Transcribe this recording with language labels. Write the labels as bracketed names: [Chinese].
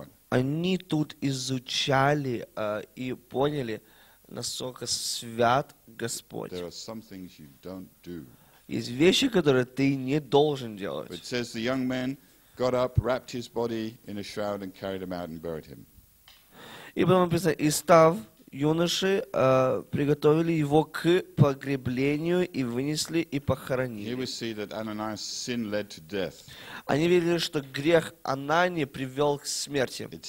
[Russian] Они тут изучали и поняли, насколько свят Господь. Есть вещи, которые ты не должен делать. [English] It says the young man got up, wrapped his body in a shroud and carried him out and buried him. [Russian] И потом написано, и став юноши, приготовили его к погреблению и вынесли и похоронили. Они видели, что грех Анании привел к смерти.